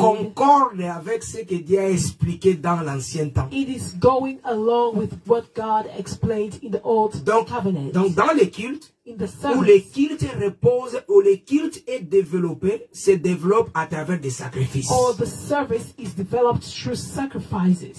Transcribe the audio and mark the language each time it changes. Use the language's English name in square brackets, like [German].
[French] concorde avec ce que Dieu a expliqué dans l'ancien temps. [English] It is going along with what God explained in the old covenant. [French] Donc dans les cultes, où le culte repose, où le culte est développé, se développe à travers des sacrifices. [English] Or the service is developed through sacrifices.